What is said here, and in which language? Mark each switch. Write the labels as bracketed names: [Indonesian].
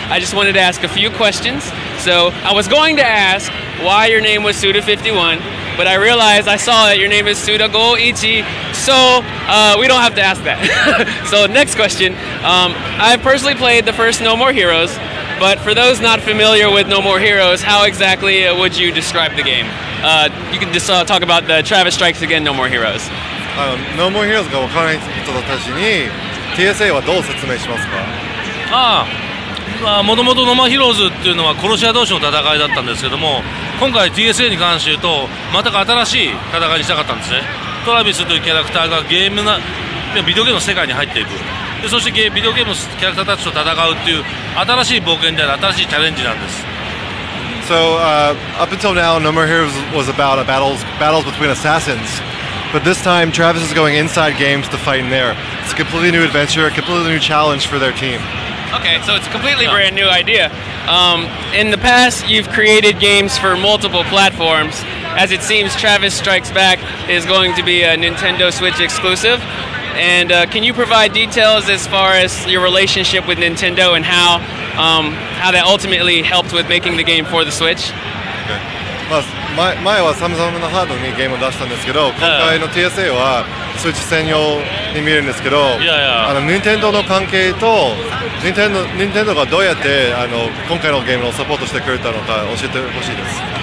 [English] I just wanted to ask a few questions. So I was going to ask why your name was Suda51, but I realized I saw that your name is Suda Goichi, so we don't have to ask that. So next question. I personally played the first No More Heroes, but for those not familiar with No More Heroes, how exactly would you describe the game? You can just talk about the Travis Strikes Again No More Heroes. [Japanese] No More Heroes が分からない人たちに TSA はどう説明しますか？もともとノーマーヒローズっていうのは殺し屋同士の戦いだったんですけども、今回 TSA に関して言うと全く新しい戦いにしたかったんですね。トラビスというキャラクターがゲームなビデオゲームの世界に入っていく、でそしてビデオゲームのキャラクターたちと戦うっていう新しい冒険である新しいチャレンジなんです。 [English] So up until now, No More Heroes was about battles between assassins. But this time, Travis is going inside games to fight in there. It's a completely new adventure, a completely new challenge for their team. Okay, so it's a completely brand new idea. In the past, you've created games for multiple platforms. As it seems, Travis Strikes Back is going to be a Nintendo Switch exclusive. And can you provide details as far as your relationship with Nintendo and how that ultimately helped with making the game for the Switch? Okay. [Japanese] 前はサムサムのハードにゲームを出したんですけど、今回の TSA はスイッチ専用に見えるんですけど、Nintendo の関係と Nintendo がどうやって今回のゲームをサポートしてくれたのか教えてほしいです。